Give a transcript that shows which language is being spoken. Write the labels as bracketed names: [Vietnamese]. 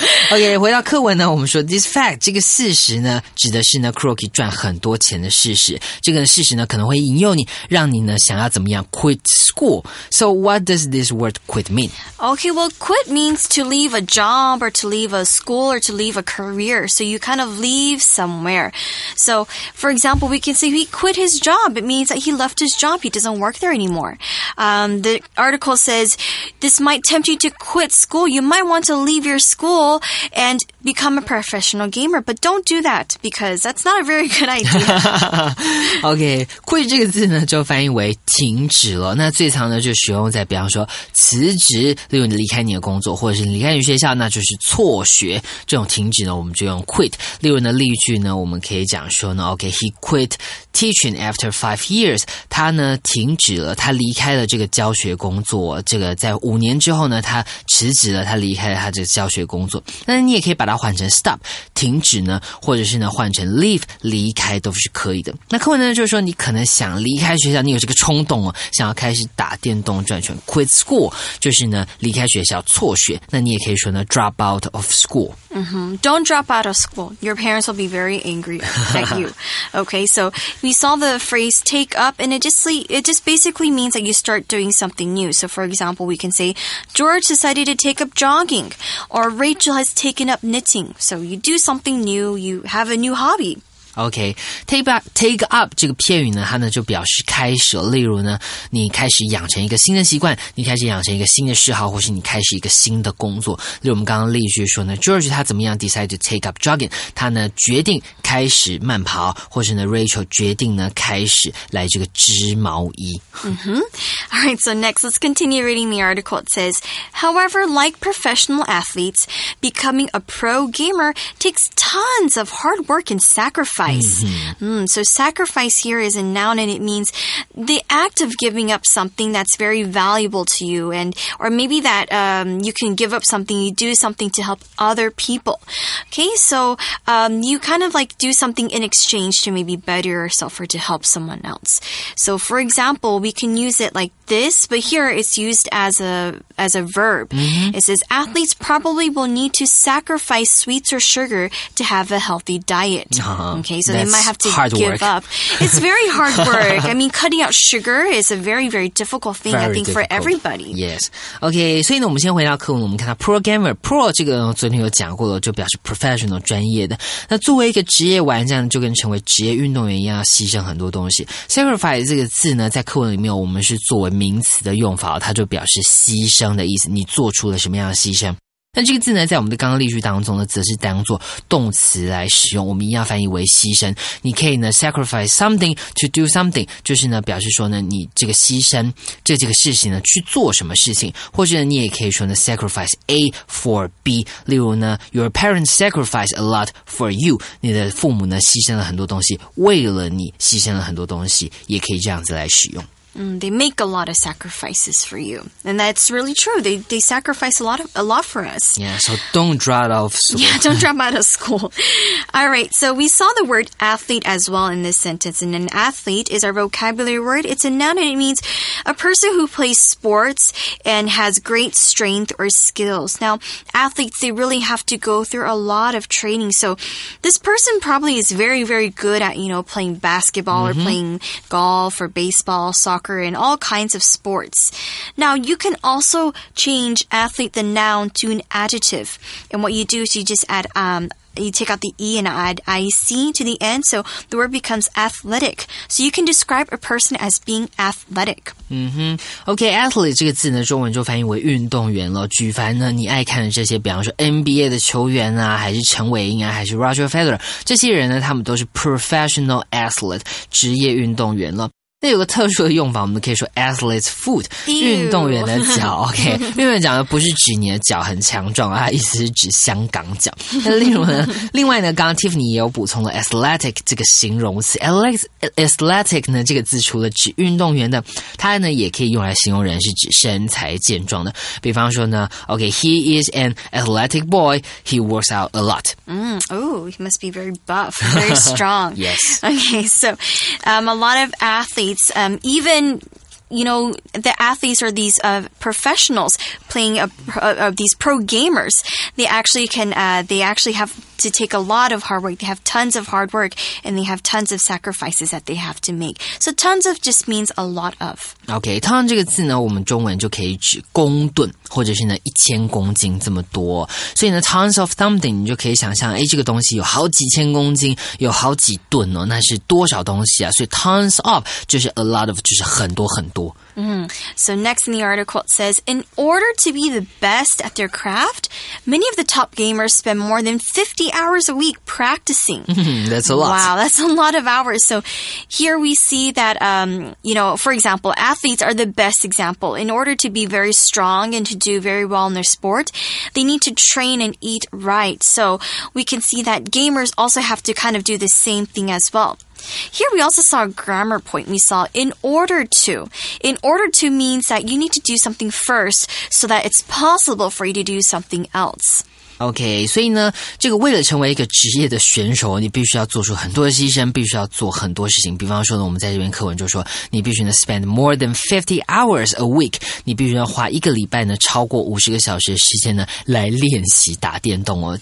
[Chinese] OK, 回到课文，那我们说 [English] this fact [Chinese] 这个事实呢指的是呢 Kuroki 赚很多钱的事实，这个事实呢可能会引诱你，让你呢想要怎么样 [English] quit school. So what does this word quit mean? Okay, well quit means to leave a job or to leave a school or to leave a career, so you kind of leave somewhere. So for example, we can say he quit his job, it means that he left his job, he doesn't work there anymore. The article says this might tempt you to quit school, you might want to leave your school and become a professional gamer, but don't do that because that's not a very good idea. [Chinese] OK, quit 这个字呢就翻译为停止了，那最常呢就使用在比方说辞职，例如你离开你的工作或者是你离开你学校，那就是辍学，这种停止呢我们就用 quit。例如呢例句呢我们可以讲说呢 [English] OK, he quit teaching after 5 years, [Chinese] 他呢停止了，他离开了这个教学工作，这个在5年之后呢他辞职了，他离开了他这个教学工作。那你也可以把它换成 stop, 停止呢，或者是呢换成 leave, 离开都是可以的。那课文呢就是说你可能想离开学校，你有这个冲动哦，想要开始打电动赚钱， [English] quit school [Chinese] 就是呢离开学校辍学。那你也可以说呢 [English] drop out of school. Mm-hmm. Don't drop out of school, your parents will be very angry at you. Okay, so we saw the phrase take up, and it just basically means that you start doing something new. So for example, we can say George decided to take up jogging, or Rachel has taken up knitting. So you do something new, you have a new hobby. [Chinese] OK, take up 这个片语呢它呢就表示开始，例如呢你开始养成一个新的习惯，你开始养成一个新的嗜好，或是你开始一个新的工作。例如我们刚刚例句说呢 George 他怎么样 [English] decide to take up jogging, [Chinese] 他呢决定开始慢跑，或是呢 Rachel 决定呢开始来这个织毛衣。 Mm-hmm. [English] Alright, so next let's continue reading the article. It says, however, like professional athletes, becoming a pro gamer takes tons of hard work and sacrifice. Mm-hmm. Mm, so sacrifice here is a noun, and it means the act of giving up something that's very valuable to you, and or maybe that you can give up something, you do something to help other people. Okay, so you kind of like do something in exchange to maybe better yourself or to help someone else. So for example, we can use it like this, but here it's used as a verb. Mm-hmm. It says athletes probably will need to sacrifice sweets or sugar to have a healthy diet. Uh-huh. Okay. okay? So they might have to give up. It's very hard work. I mean, cutting out sugar is a very, very difficult thing, very I think, difficult. For everybody. Yes. [Chinese] Okay, 所以呢，我们先回到课文，我们看到 programmer, pro 这个昨天有讲过了，就表示 professional, 专业的。那作为一个职业玩家，就跟成为职业运动员一样，牺牲很多东西。 Sacrifice 这个字呢，在课文里面我们是作为名词的用法，它就表示牺牲的意思，你做出了什么样的牺牲。那这个字呢，在我们的刚刚例句当中呢，则是当作动词来使用，我们一样翻译为牺牲。你可以呢 [English] sacrifice something to do something, [Chinese] 就是呢表示说呢，你这个牺牲这个事情呢去做什么事情，或者呢你也可以说呢 [English] sacrifice A for B, [Chinese] 例如呢 [English] your parents sacrifice a lot for you, [Chinese] 你的父母呢牺牲了很多东西，为了你牺牲了很多东西，也可以这样子来使用。 [English] They make a lot of sacrifices for you. And that's really true. They sacrifice a lot for us. Yeah, so don't drop out of school. Yeah, don't drop out of school. All right, so we saw the word athlete as well in this sentence. And an athlete is a vocabulary word. It's a noun and it means a person who plays sports and has great strength or skills. Now, athletes, they really have to go through a lot of training. So this person probably is very, very good at, you know, playing basketball、mm-hmm. or playing golf or baseball, soccer and all kinds of sports. Now, you can also change athlete, the noun, to an adjective. And what you do is you just add, you take out the E and add IC to the end, so the word becomes athletic. So you can describe a person as being athletic. Mm-hmm. [Chinese] OK, athlete 这个字呢，中文就翻译为运动员了。举凡呢，你爱看的这些，比方说 NBA 的球员啊，还是陈伟英啊，还是 Roger Federer, 这些人呢，他们都是 [English] professional athlete, [Chinese] 职业运动员了。那有个特殊的用法，我们可以说 athlete's foot, 运动员的脚。 OK, 运动员的脚不是指你的脚很强壮，它意思是指香港脚。那例如呢，另外呢，刚刚 Tiffany 也有补充了 athletic 这个形容词。 athletic 呢这个字除了指运动员的，它呢也可以用来形容人是指身材健壮的。比方说呢 [English] ，OK, he is an athletic boy. He works out a lot. He must be very buff, very strong. Yes. Okay, so, a lot of athletes, even, you know, the athletes are these professionals playing these pro gamers. They actually have to take a lot of hard work. They have tons of hard work and they have tons of sacrifices that they have to make. So tons of just means a lot of. [Chinese] Okay, ton 这个字呢，我们中文就可以指公吨，或者是呢一千公斤这么多。所以呢 tons of something 你就可以想象，这个东西有好几千公斤，有好几吨哦，那是多少东西啊？所以 tons of 就是 [English] a lot of, [Chinese] 就是很多很多。 [English] So next in the article, it says, in order to be the best at their craft, many of the top gamers spend more than 50 hours a week practicing. That's a lot. Wow, that's a lot of hours. So here we see that, you know, for example, athletes are the best example. In order to be very strong and to do very well in their sport, they need to train and eat right. So we can see that gamers also have to kind of do the same thing as well. Here we also saw a grammar point. We saw in order to means that you need to do something first so that it's possible for you to do something else. [Chinese] Okay, 所以呢，这个为了成为一个职业的选手，你必须要做出很多的牺牲，必须要做很多事情。比方说呢，我们在这边课文就说，你必须呢 [English] spend more than 50 hours a week, [Chinese] 你必须要花一个礼拜呢超过50个小时的时间呢来练习打电动哦。